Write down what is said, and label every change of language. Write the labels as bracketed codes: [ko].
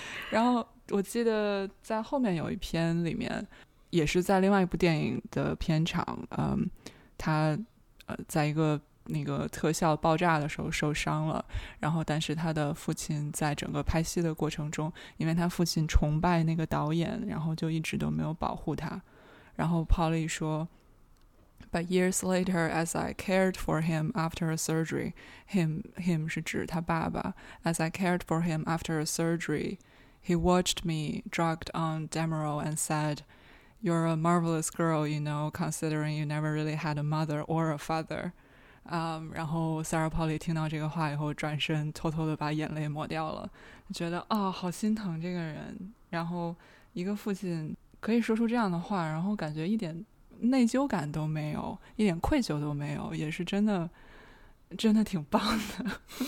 [zh] 然后我记得在后面有一篇里面，也是在另外一部电影的片场，他在一个那个特效爆炸的时候受伤了，然后但是他的父亲在整个拍戏的过程中，因为他父亲崇拜那个导演，然后就一直都没有保护他。然后 Polly 说。 [en] But years later, as I cared for him after a surgery, him [zh] 是指他爸爸。 [en] As I cared for him after a surgery, he watched me drugged on Demerol and said, "You're a marvelous girl, you know, considering you never really had a mother or a father." [zh] 然后 Sarah Polly 听到这个话以后，转身偷偷的把眼泪抹掉了，觉得哦，好心疼这个人。然后一个父亲可以说出这样的话，然后感觉一点内疚感都没有，一点愧疚都没有，也是真的真的挺棒的。